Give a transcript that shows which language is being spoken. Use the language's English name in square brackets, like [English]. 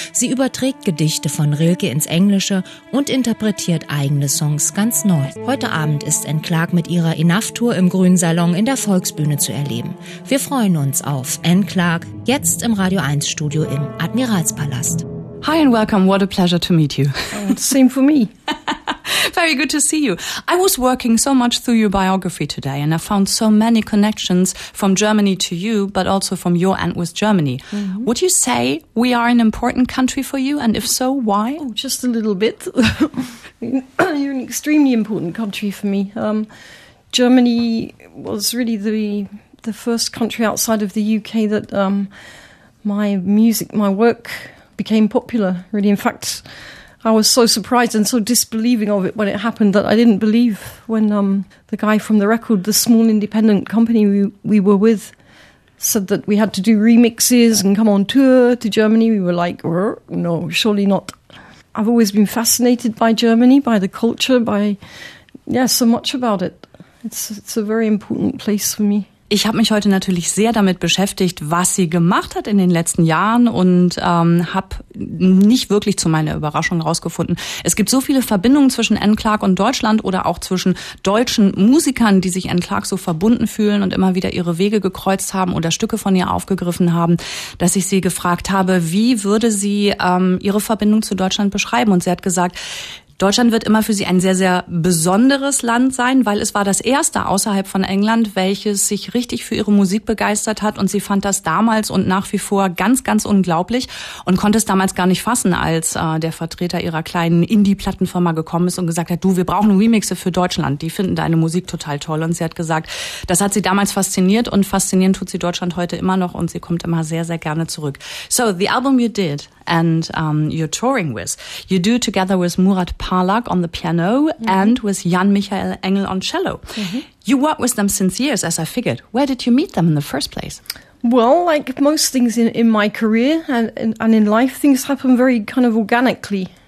[German] Sie überträgt Gedichte von Rilke ins Englische und interpretiert eigene Songs ganz neu. Heute Abend ist Anne Clark mit ihrer Enough-Tour im Grünen Salon in der Volksbühne zu erleben. Wir freuen uns auf Anne Clark, jetzt im Radio 1 Studio im Admiralspalast. [English] Hi and welcome, what a pleasure to meet you. Same for me. Very good to see you. I was working so much through your biography today and I found so many connections from Germany to you, but also from your end with Germany. Mm-hmm. Would you say we are an important country for you? And if so, why? Oh, just a little bit. You're an extremely important country for me. Germany was really the first country outside of the UK that my music, my work became popular, really. In fact, I was so surprised and so disbelieving of it when it happened that I didn't believe when the guy from the record, the small independent company we were with, said that we had to do remixes and come on tour to Germany. We were like, no, surely not. I've always been fascinated by Germany, by the culture, so much about it. It's a very important place for me. [German] Ich habe mich heute natürlich sehr damit beschäftigt, was sie gemacht hat in den letzten Jahren und habe nicht wirklich zu meiner Überraschung rausgefunden. Es gibt so viele Verbindungen zwischen Anne Clark und Deutschland oder auch zwischen deutschen Musikern, die sich Anne Clark so verbunden fühlen und immer wieder ihre Wege gekreuzt haben oder Stücke von ihr aufgegriffen haben, dass ich sie gefragt habe, wie würde sie ihre Verbindung zu Deutschland beschreiben? Und sie hat gesagt, Deutschland wird immer für sie ein sehr, sehr besonderes Land sein, weil es war das erste außerhalb von England, welches sich richtig für ihre Musik begeistert hat. Und sie fand das damals und nach wie vor ganz, ganz unglaublich und konnte es damals gar nicht fassen, als der Vertreter ihrer kleinen Indie-Plattenfirma gekommen ist und gesagt hat, du, wir brauchen Remixe für Deutschland. Die finden deine Musik total toll. Und sie hat gesagt, das hat sie damals fasziniert und faszinieren tut sie Deutschland heute immer noch und sie kommt immer sehr, sehr gerne zurück. [English] So, the album you did and you're touring with, you do together with Murat Palak on the piano, mm-hmm. and with Jan-Michael Engel on cello. Mm-hmm. You work with them since years, as I figured. Where did you meet them in the first place? Well, like most things in my career and in life, things happen very kind of organically.